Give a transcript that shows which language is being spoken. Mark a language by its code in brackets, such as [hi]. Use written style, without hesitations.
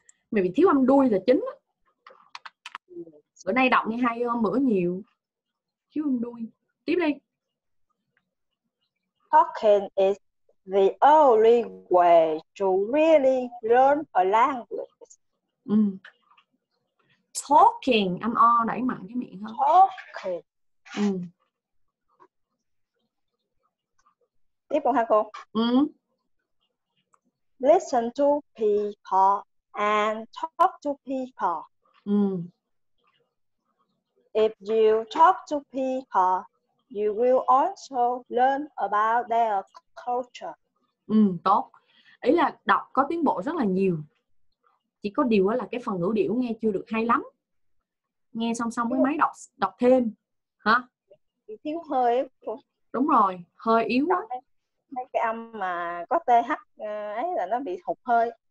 [vi] Mình bị thiếu âm đuôi là chính. Bữa nay đọc như hai âm bữa nhiều, thiếu âm đuôi. Tiếp đi. [en] Talking is the only way to really learn a language. [vi] Talking, âm O đẩy mạnh cái miệng hơn. [en] Talking. [vi] Tiếp không hả cô? [en] Listen to people and talk to people. If you talk to people, you will also learn about their culture. [vi] Tốt. Ý là đọc có tiến bộ rất là nhiều. Chỉ có điều là cái phần ngữ điệu nghe chưa được hay lắm. Nghe song với máy đọc thêm. Hả? Thiếu hơi. Đúng rồi, hơi yếu. Mấy cái âm mà có TH ấy là nó bị hụt hơi.